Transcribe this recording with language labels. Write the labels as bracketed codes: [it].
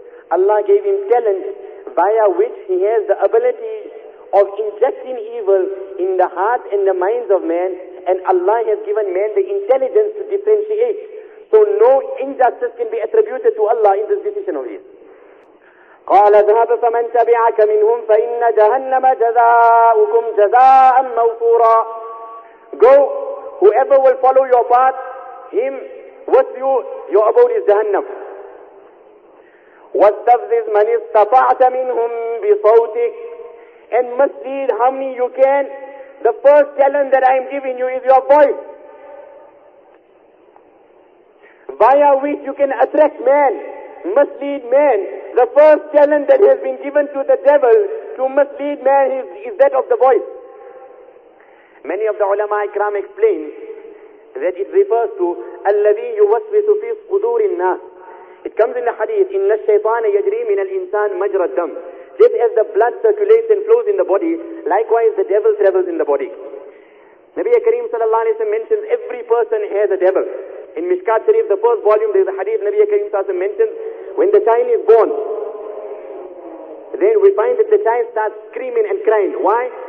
[en] Allah gave him talent via which he has the ability of injecting evil in the heart and the minds of man, and Allah has given man the intelligence to differentiate. So no injustice can be attributed to Allah in this decision of his. [ar] قال ذهب فمن تبعك منهم فإن جهنم جزاؤكم جزاء موفورا. [en] Go, whoever will follow your path, him with you, your abode is Jahannam. [ar] واستفزز من استطعت منهم بصوتك. [en] And mislead how many you can. The first talent that I am giving you is your voice, via which you can attract man, mislead man. The first challenge that has been given to the devil to mislead man is that of the voice. Many of the ulama ikram explain that it refers to [ar] الَّذِي يُوَسْوِسُ فِي صُدُورِ النَّاسِ. [en] It comes in the hadith, [ar] إِنَّ الشَّيْطَانَ يَجْرِي مِنَ الْإِنسَانِ مَجْرَ الدَّمِ. [en] Just as the blood circulates and flows in the body, likewise the devil travels in the body. Nabi Kareem sallallahu alayhi wa sallam mentions every person has a devil. In Mishkat Sharif, the first volume, there is a hadith Nabi Kareem sallallahu alayhi wa sallam mentions, when the child is born, then we find that the child starts screaming and crying. Why?